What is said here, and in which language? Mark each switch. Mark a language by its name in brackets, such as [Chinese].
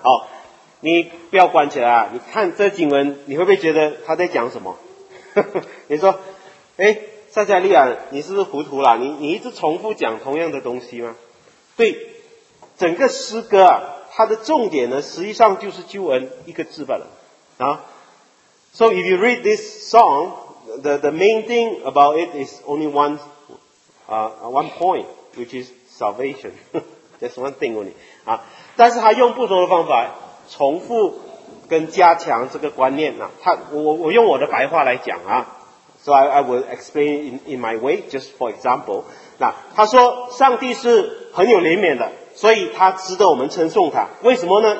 [Chinese] 好，你不要关起来啊，你看这经文你会不会觉得他在讲什么？你说诶，撒迦利亚，你是不是糊涂了？你一直重复讲同样的东西吗？对，整个诗歌啊，它的重点呢，实际上就是救恩一个字罢了啊。 [English] So if you read this song, the main thing about it is only one one point, which is salvation. That's one thing only. [Chinese] 啊，但是他用不同的方法重复跟加强这个观念啊。他，我用我的白话来讲啊。 [English] So I will explain in my way, just for example. [Chinese] 那他说上帝是很有怜悯的，所以他值得我们称颂他。为什么呢？